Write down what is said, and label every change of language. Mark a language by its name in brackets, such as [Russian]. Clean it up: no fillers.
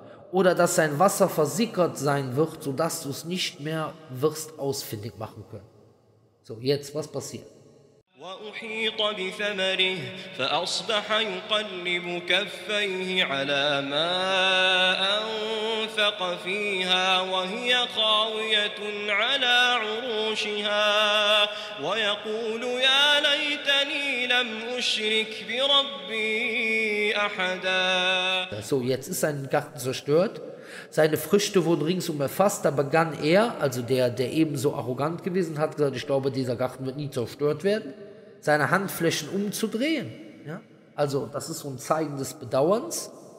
[German] Oder dass sein Wasser versickert sein wird, sodass du es nicht mehr wirst ausfindig machen können. So, jetzt, was passiert? [Arabic] وأحيط بثمره فأصبح يقلب كفيه على ما أنفق فيها وهي خاوية على عروشها ويقول يا ليتني لم أشرك بربي أحدا. [German] So, jetzt ist sein Garten zerstört. Seine Früchte wurden ringsum erfasst. Da begann er, also der ebenso arrogant gewesen hat, gesagt, ich glaube, dieser Garten wird nie zerstört werden. Seine Handflächen umzudrehen. Ja? Also, das ist so ein Zeichen des Bedauerns.